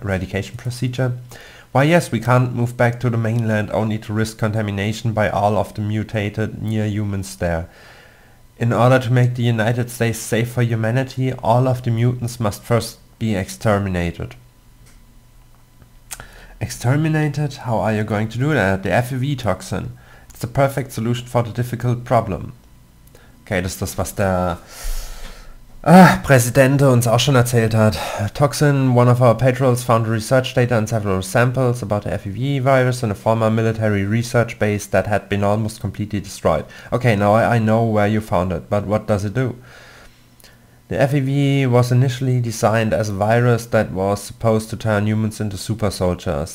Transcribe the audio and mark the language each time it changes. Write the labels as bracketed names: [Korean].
[English] Eradication procedure? Why, yes, we can't move back to the mainland only to risk contamination by all of the mutated near-humans there. In order to make the United States safe for humanity, all of the mutants must first be exterminated. Exterminated? How are you going to do that? The FEV toxin. It's the perfect solution for the difficult problem. [German] Okay, das ist das, was der Präsident uns auch schon erzählt hat. [English] Toxin, one of our patrols found research data and several samples about the FEV virus in a former military research base that had been almost completely destroyed. Okay, now I know where you found it, but what does it do? The FEV was initially designed as a virus that was supposed to turn humans into super soldiers.